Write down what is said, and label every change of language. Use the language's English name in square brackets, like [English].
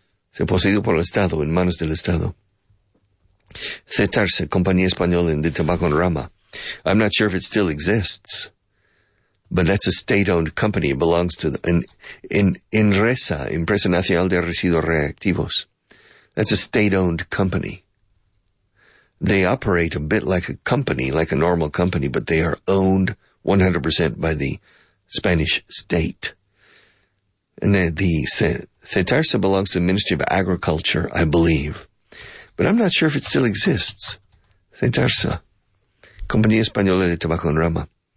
[Spanish] Se poseído por el Estado, en manos del Estado. Cetarse, compañía española de tabaco en rama. [English] I'm not sure if it still exists, but that's a state-owned company. It belongs to the Enresa, Empresa Nacional de Residuos Reactivos. That's a state-owned company. They operate a bit like a company, like a normal company, but they are owned 100% by the Spanish state. And the Cetarsa belongs to the Ministry of Agriculture, I believe. But I'm not sure if it still exists. [Spanish] Cetarsa. Compañía Española de Tabaco en Rama.